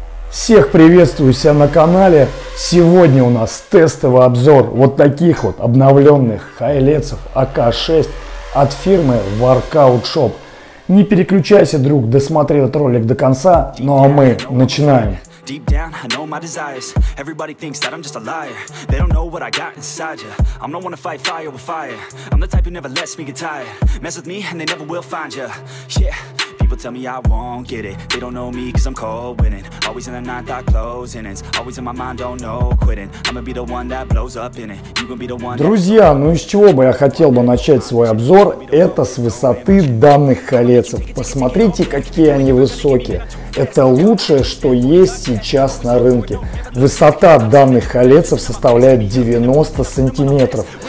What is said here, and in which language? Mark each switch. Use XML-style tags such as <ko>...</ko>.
<ru>Всех приветствую себя на канале. Сегодня у нас тестовый обзор вот таких вот обновленных хайлетсов АК-6 от фирмы Workout Shop. Не переключайся, друг, досмотри этот ролик до конца. Ну а мы начинаем.</ru> <en>Deep down, I know my desires. Everybody thinks that I'm just a liar. They don't know what I got inside ya. I'm the one to fight fire with fire. I'm the type who never lets me get tired. Mess with me and they never will find ya. Yeah, people tell me I won't get it. They don't know me cause I'm cold winning. Always in the ninth, I close innings. Always in my mind, don't know quitting. I'ma be the one that blows up in it. You gonna be the one.</en> <ru>Друзья, ну из чего бы я хотел бы начать свой обзор? Это с высоты данных колецов. Посмотрите, какие они высокие. Это лучшее, что есть сейчас на рынке. Высота данных колецов составляет 90 сантиметров.</ru>